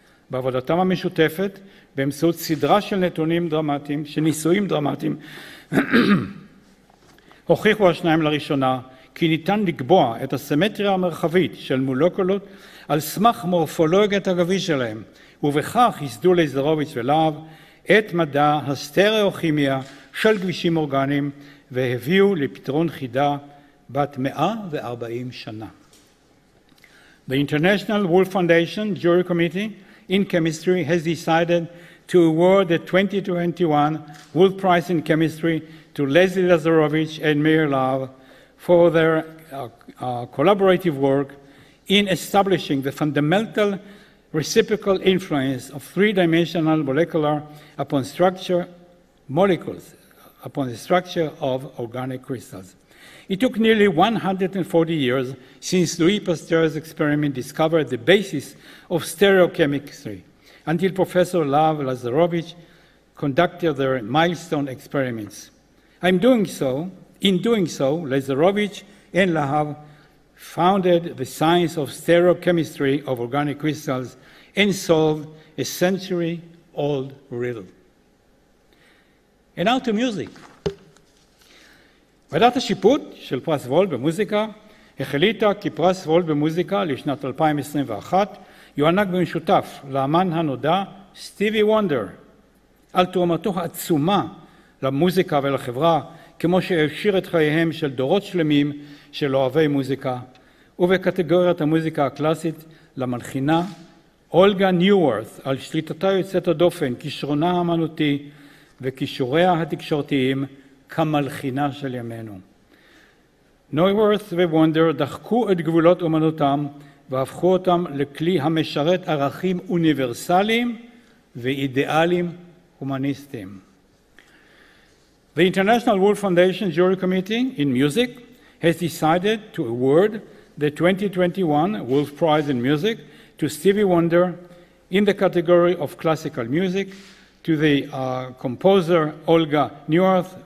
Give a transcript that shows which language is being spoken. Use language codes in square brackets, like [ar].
[he] בעבודתם המשותפת באמצעות סדרה של נתונים דרמטיים, של ניסויים דרמטיים, הוכיחו השניים לראשונה כי ניתן לקבוע את הסימטריה המרחבית של מולקולות על סמך מורפולוגיית הגביש שלהם, ובכך יסדו לזרוביץ' ולהב את מדע הסטריאוכימיה של גבישים אורגניים, והביאו לפתרון חידה בת 140 שנה. [en] The International Wolf Foundation Jury Committee in Chemistry has decided to award the 2021 Wolf Prize in Chemistry to Leslie Lazarovic and Meir Lav for their collaborative work in establishing the fundamental reciprocal influence of three-dimensional molecular upon structure molecules upon the structure of organic crystals. It took nearly 140 years since Louis Pasteur's experiment discovered the basis of stereochemistry until Professor Lav Lazarovic conducted their milestone experiments. In doing so, Lazarovic and Lahav founded the science of stereochemistry of organic crystals and solved a century-old riddle. And now to music. [he] ועדת השיפוט של פרס וולף במוזיקה החליטה כי פרס וולף במוזיקה לשנת 2021 יוענק במשותף לאמן הנודע סטיבי וונדר על תרומתו העצומה למוזיקה ולחברה, כמו שהעשיר את חייהם של דורות שלמים של אוהבי מוזיקה, ובקטגוריית המוזיקה הקלאסית למלחינה אולגה ניוורת על שליטתה יוצאת הדופן, כישרונה האמנותי וכישוריה התקשורתיים כמלחינה של ימינו. ניוורת ווונדר דחקו את גבולות אומנותם והפכו אותם לכלי המשרת ערכים אוניברסליים ואידיאלים הומניסטיים. [en] The International Wolf Foundation Jury Committee in Music has decided to award the 2021 Wolf Prize in Music to Stevie Wonder in the category of classical music to the composer Olga Neuwirth.